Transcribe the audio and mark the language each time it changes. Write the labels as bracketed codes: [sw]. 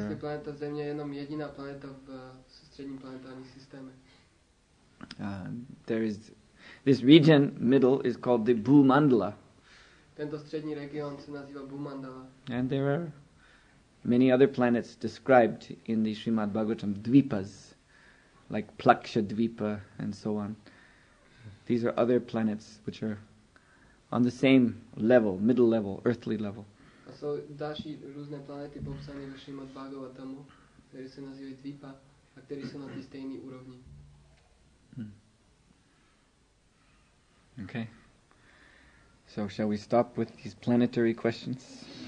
[cs] Jestli planeta Země je jenom jediná planeta v soustředním planetárním systému. [en] There is This region, middle, is called the Bhumandala. [cs] Tento střední region se nazývá Bhumandala. [en] And there are many other planets described in the Srimad Bhagavatam, dvipas, like Plakshadvipa and so on. These are other planets which are on the same level, middle level, earthly level. [cs] A jsou další různé planety popsané ve Srimad Bhagavatamu, které se nazývají dvipa a které jsou na té stejné úrovni. [en] Okay. So shall we stop with these planetary questions?